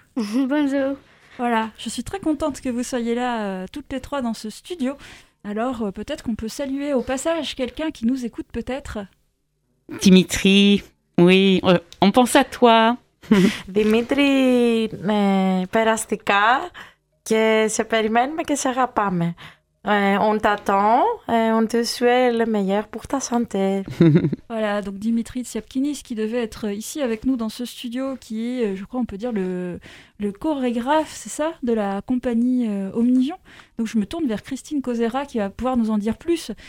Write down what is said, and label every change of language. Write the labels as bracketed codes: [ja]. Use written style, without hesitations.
[fr] Bonjour. Voilà, je suis très contente que vous soyez là toutes les trois dans ce studio. Alors, peut-être qu'on peut saluer au passage quelqu'un qui nous écoute peut-être. Dimitri, oui, on pense à toi. [el] Dimitri, perastika. Και σε περιμένουμε και σε αγαπάμε. [fr] On t'attend et on te souhaite le meilleur pour ta santé. Voilà, donc Dimitri Tsiapkinis qui devait être ici avec nous dans ce studio, qui est, je crois, on peut dire le chorégraphe, c'est ça, de la compagnie Omnivion. Donc je me tourne vers Christine Cosera qui va pouvoir nous en dire plus.